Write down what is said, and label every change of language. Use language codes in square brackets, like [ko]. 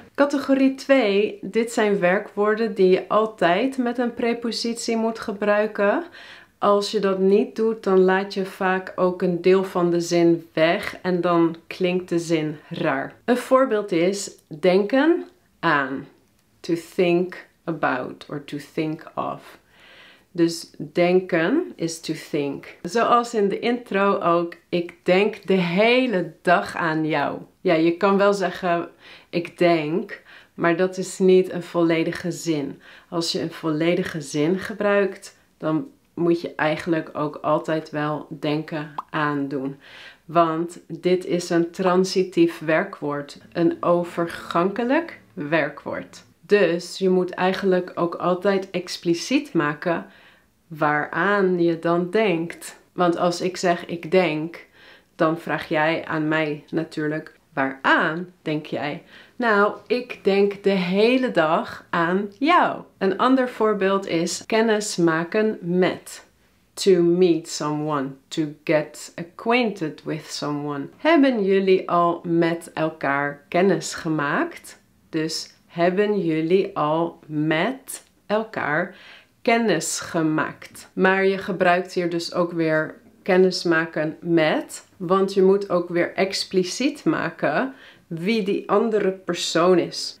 [nl] Categorie 2, dit zijn werkwoorden die je altijd met een prepositie moet gebruiken. Als je dat niet doet, dan laat je vaak ook een deel van de zin weg en dan klinkt de zin raar. Een voorbeeld is denken aan. [en] To think about or to think of. [nl] Dus denken is [en] to think. [nl] Zoals in de intro ook, ik denk de hele dag aan jou. Ja, je kan wel zeggen, ik denk, maar dat is niet een volledige zin. Als je een volledige zin gebruikt, dan moet je eigenlijk ook altijd wel denken aan doen. Want dit is een transitief werkwoord, een overgankelijk werkwoord. Dus je moet eigenlijk ook altijd expliciet maken waaraan je dan denkt. Want als ik zeg ik denk, dan vraag jij aan mij natuurlijk, waaraan denk jij? Nou, ik denk de hele dag aan jou. Een ander voorbeeld is kennis maken met. [en] To meet someone, to get acquainted with someone. [nl] Hebben jullie al met elkaar kennis gemaakt? Dus hebben jullie al met elkaar kennis gemaakt? Maar je gebruikt hier dus ook weer kennis maken met, want je moet ook weer expliciet maken wie die andere persoon is.